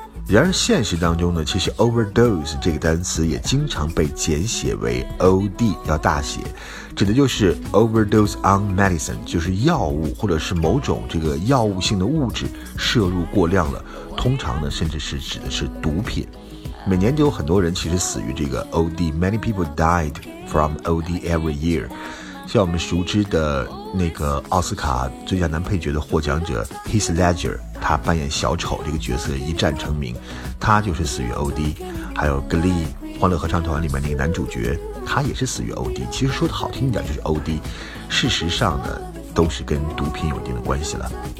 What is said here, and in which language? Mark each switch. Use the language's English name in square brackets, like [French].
[Chinese] 然而现实当中呢，其实 overdose 这个单词也经常被简写为 OD， 要大写，指的就是 overdose on medicine， 就是药物或者是某种这个药物性的物质摄入过量了，通常呢甚至是指的是毒品。每年就有很多人其实死于这个 OD， [English] many people died from OD every year。 [Chinese] 像我们熟知的那个奥斯卡最佳男配角的获奖者 Heath Ledger， 他扮演小丑这个角色一战成名，他就是死于 OD。还有 Glee 欢乐合唱团里面那个男主角，他也是死于 OD。其实说得好听一点就是 OD， 事实上呢都是跟毒品有一定的关系了。